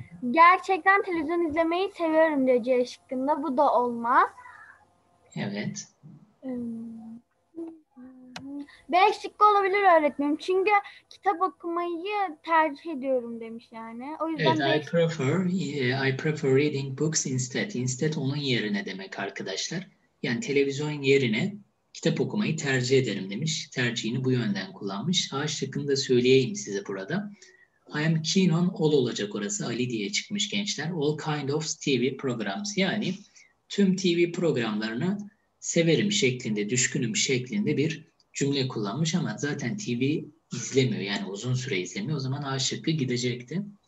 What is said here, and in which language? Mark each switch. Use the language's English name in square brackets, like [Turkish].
[Turkish] Gerçekten televizyon izlemeyi seviyorum diyor C şıkkında. Bu da olmaz. Evet. B şıkkı olabilir öğretmenim. Çünkü kitap okumayı tercih ediyorum demiş yani. O yüzden [English] evet, I prefer reading books instead. [Turkish] Instead onun yerine demek arkadaşlar. Yani televizyon yerine kitap okumayı tercih ederim demiş. Tercihini bu yönden kullanmış. A şıkkını da söyleyeyim size burada. I am keen on all olacak orası. Ali diye çıkmış gençler. All kind of TV programs. Yani tüm TV programlarını severim şeklinde, düşkünüm şeklinde bir cümle kullanmış ama zaten TV izlemiyor, yani uzun süre izlemiyor. O zaman A şıkkı gidecekti.